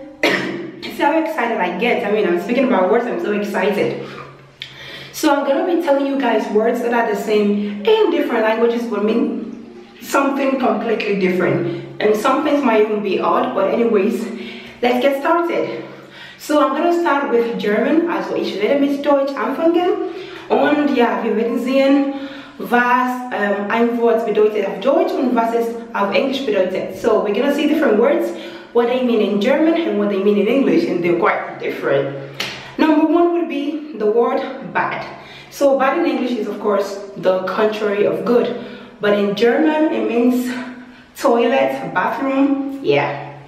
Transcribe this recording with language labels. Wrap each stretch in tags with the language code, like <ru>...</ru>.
<en>See how excited I get. I mean, I'm speaking about words, I'm so excited. So I'm gonna be telling you guys words that are the same in different languages but mean something completely different. And some things might even be odd, but anyways, let's get started. So I'm gonna start with German,</en> <de>also ich rede mit Deutsch anfangen. Und ja, wir werden sehen, was ein Wort bedeutet auf Deutsch und was es auf Englisch bedeutet.</de> <en>So we're gonna see different words, what they mean in German and what they mean in English, and they're quite different. Number one would be the word bad. So bad in English is of course the contrary of good, but in German it means toilet, bathroom, yeah.</en>